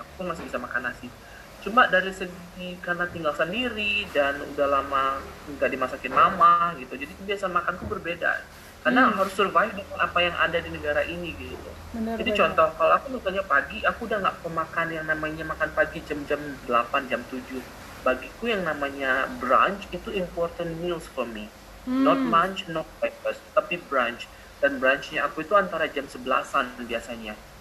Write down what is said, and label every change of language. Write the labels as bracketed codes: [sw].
[id] Aku masih bisa makan nasi. Cuma dari segi karena tinggal sendiri dan udah lama nggak dimasakin mama gitu, jadi kebiasaan makanku berbeda. Karena harus survive dengan apa yang ada di negara ini gitu. Benar, jadi contoh, kalau aku misalnya pagi, aku udah nggak pemakan yang namanya makan pagi jam-jam 8, jam 7. Bagiku yang namanya brunch itu [en] important meals for me. Not lunch, not breakfast, tapi brunch. [id] Dan brunchnya aku itu antara jam 11-an biasanya.